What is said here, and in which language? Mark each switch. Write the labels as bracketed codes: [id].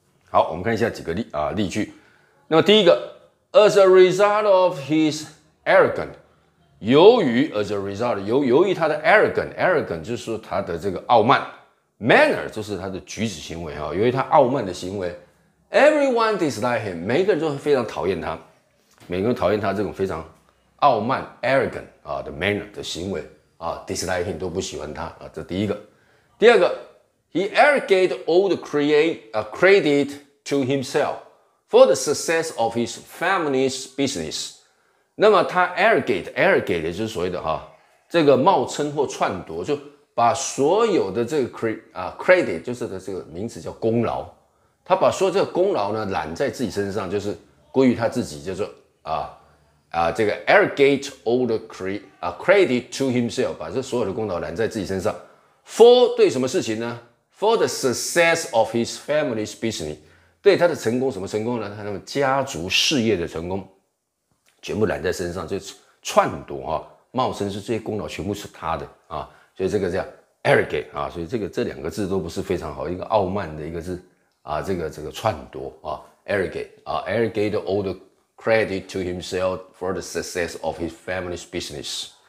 [zh] 好，我们看一下几个例句。那么第一个， [en] As a result of his arrogant， [zh] 由于他的 arrogant 就是他的这个傲慢， manner 就是他的举止行为由于他傲慢的行为， [en] everyone dislike him， [zh] 每个人都非常讨厌他，每个人讨厌他这种非常傲慢 arrogant 的 manner 的行为dislike him 都不喜欢他这第一个。第二个， [en] He arrogated all the credit to himself for the success of his family's business。 [zh] 那么他 arrogate 就是所谓的这个冒称或篡夺，就把所有的这个 credit 就是的这个名词叫功劳，他把所有这个功劳呢揽在自己身上，就是归于他自己，叫做这个 [en] arrogate all the credit to himself， [zh] 把这所有的功劳揽在自己身上。 For 对什么事情呢？ [en] For the success of his family's business， [zh] 对他的成功，什么成功呢？他的家族事业的成功，全部揽在身上，就篡夺冒称是这些功劳全部是他的所以这个叫 arrogant 所以这两个字都不是非常好，一个傲慢的一个字这个篡夺 [en] arrogant all the credit to himself for the success of his family's business。